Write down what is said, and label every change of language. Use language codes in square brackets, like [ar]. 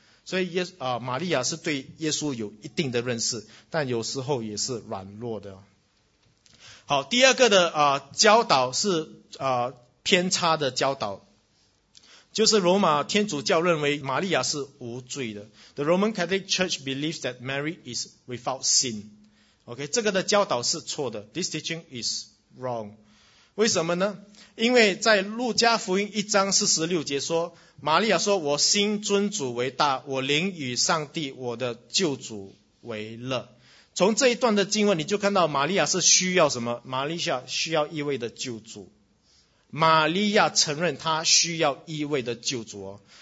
[zh] 所以玛利亚是对耶稣有一定的认识，但有时候也是软弱的。好，第二个的教导是偏差的教导，就是罗马天主教认为玛利亚是无罪的。 [en] The Roman Catholic Church believes that Mary is without sin. [zh] OK, 这个的教导是错的。 [en] This teaching is wrong. [zh] 为什么呢？因为在路加福音一章四十六节说，玛利亚说，我心尊主为大，我灵与上帝我的救主为乐。从这一段的经文你就看到玛利亚是需要什么，玛利亚需要一位的救主，玛利亚承认他需要一位的救主。